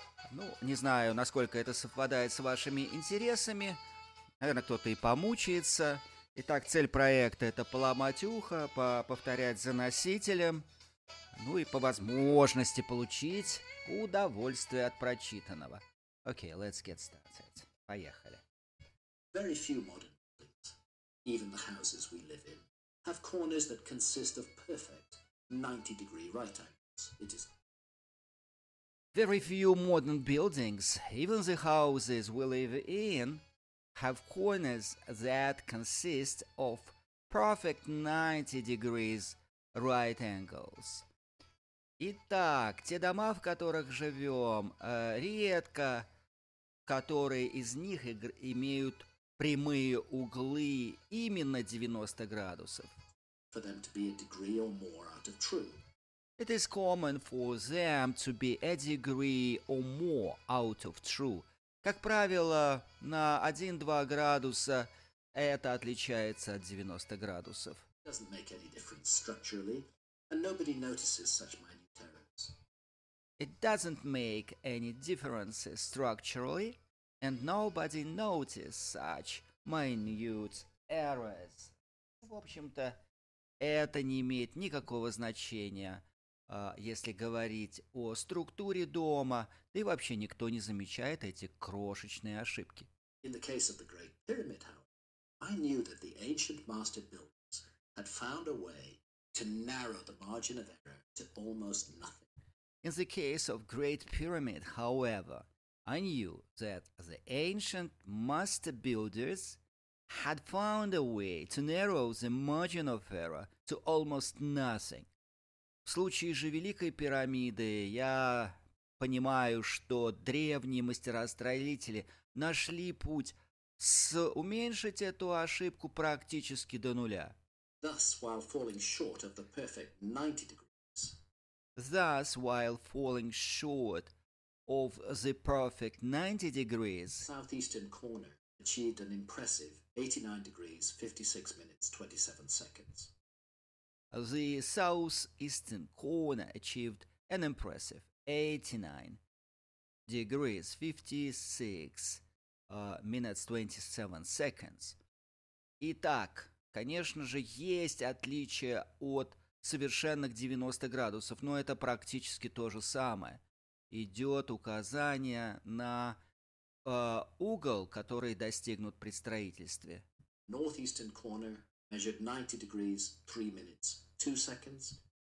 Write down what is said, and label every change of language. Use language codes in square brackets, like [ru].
[ru] Ну, не знаю, насколько это совпадает с вашими интересами. Наверное, кто-то и помучается. Итак, цель проекта – это поломать ухо, повторять за носителем, ну и по возможности получить удовольствие от прочитанного. [en] Окей, let's get started. [ru] Поехали. [en] Very few modern buildings, even the houses we live in, have corners that consist of perfect 90-degree right angles. It is... Very few modern buildings, even the houses we live in, have corners that consist of perfect 90 degrees right angles. [ru] Итак, те дома, в которых живем, редко, которые из них имеют прямые углы именно 90 градусов. [en] For them to be a degree or more out of true. It is common for them to be a degree or more out of true. [ru] Как правило, на 1-2 градуса это отличается от 90 градусов. [en] Doesn't make any difference structurally, and nobody notices such minute errors. It doesn't make any difference structurally, and nobody notices such minute errors. [ru] В общем-то, это не имеет никакого значения. Если говорить о структуре дома, да и вообще никто не замечает эти крошечные ошибки. [en] In the case of the Great Pyramid, however, I knew that the ancient master builders had found a way to narrow the margin of error to almost nothing. In the case of Great Pyramid, however, I knew that the ancient master builders had found a way to narrow the margin of error to almost nothing. [ru] В случае же Великой Пирамиды я понимаю, что древние мастера-строители нашли путь уменьшить эту ошибку практически до нуля. [en] Thus, while falling short of the perfect 90 degrees. Thus, while falling short of the perfect 90 degrees. Southeastern corner achieved an impressive 89 degrees, 56 minutes, 27 seconds. The southeastern corner achieved an impressive 89 degrees, 56 minutes, 27 seconds. [ru] Итак, конечно же, есть отличие от совершенных 90 градусов, но это практически то же самое. Идет указание на угол, который достигнут при строительстве. [en] Northeastern corner measured 90 degrees, 3 minutes.